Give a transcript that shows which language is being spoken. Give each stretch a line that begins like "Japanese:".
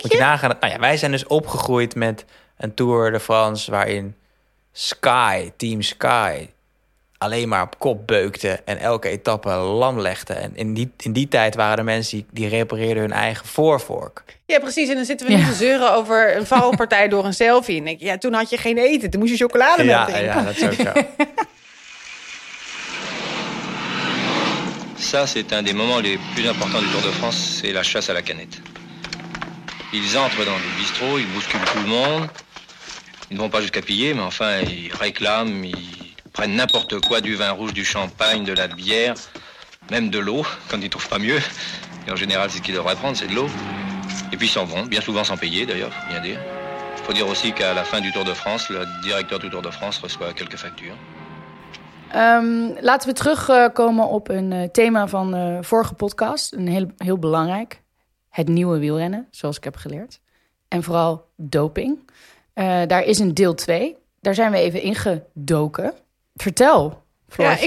Dutch: je? Moet je nagaan, nou ja, wij zijn dus opgegroeid met een Tour de France waarin Sky, Team Sky, alleen maar op kop beukte en elke etappe lam legde. En in die tijd waren er mensen die repareerden hun eigen voorvork. Ja, precies. En dan zitten we nu te zeuren over een valpartij door een selfie. En ik, ja, toen had je geen eten. Toen moest je chocolade met drinken. Ja, dat is ook zo.
French: Ça, c'est un des moments les plus importants du Tour de France, c'est la chasse à la canette. Ils entrent dans les bistrots, ils bousculent tout le monde. Ils ne vont pas jusqu'à piller, mais enfin, ils réclament, ils prennent n'importe quoi, du vin rouge, du champagne, de la bière, même de l'eau, quand ils ne trouvent pas mieux. Et en général, c'est ce qu'ils devraient prendre, c'est de l'eau. Et puis ils s'en vont, bien souvent sans payer d'ailleurs, faut bien dire. Il faut dire aussi qu'à la fin du Tour de France, le directeur du Tour de France reçoit quelques factures.
Dutch: Laten we terugkomen op een thema van de vorige podcast. Een heel, heel belangrijk. Het nieuwe wielrennen, zoals ik heb geleerd. En vooral doping. Daar is een deel 2. Daar zijn we even ingedoken. Vertel, Floortje.